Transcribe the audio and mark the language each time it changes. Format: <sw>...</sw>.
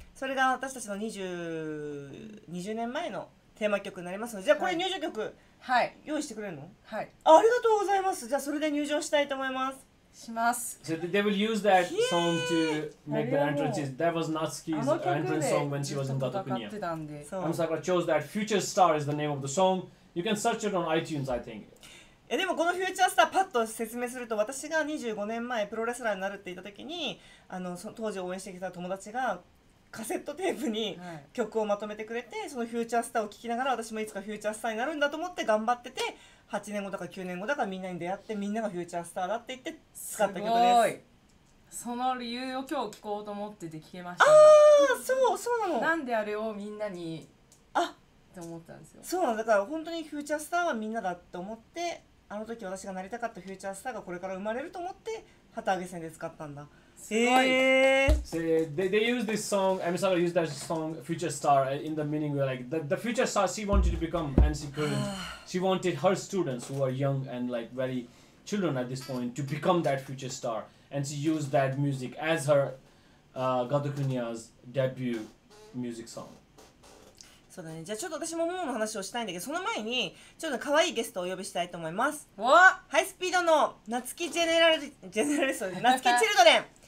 <ja>それが私たちの20年前のテーマ曲になりますので、じゃあこれ入場曲、はい、用意してくれるの？はい、ありがとうございます。じゃあそれで入場したいと思います。します。</ja> <en>So they will use that song to make the entrance. That was Natsuki's entrance song when she was in Gato Kenya. I'm Sakura chose that. Future Star is the name of the song. You can search it on iTunes, I think.</en> <ja>でもこの Future Star パッと説明すると、私が25年前プロレスラーになるって言った時に、あの当時応援してきた友達がカセットテープに曲をまとめてくれて、はい、そのフューチャースターを聴きながら私もいつかフューチャースターになるんだと思って頑張ってて、8年後だか9年後だかみんなに出会って、みんながフューチャースターだって言って使った曲です。すごい。その理由を今日聴こうと思ってて聴けました。ああ、そう、そうなの。なんであれをみんなに、あって思ったんですよ。そうなの。だから本当にフューチャースターはみんなだって思って、あの時私がなりたかったフューチャースターがこれから生まれると思って旗揚げ戦で使ったんだ。</ja> <en>They use this song, Emisawa used that song, Future Star, in the meaning where like the future star she wanted to become and she couldn't. She wanted her students who are young and like very children at this point to become that future star. And she used that music as her Gato Kunia's debut music song.</en> <ja>そうだね。じゃあちょっと私もモモの話をしたいんだけど、その前にちょっと可愛いゲストをお呼びしたいと思います。わハイスピードの夏木ジェネラル、ジェネラルソン、夏木チルドレン。</ja>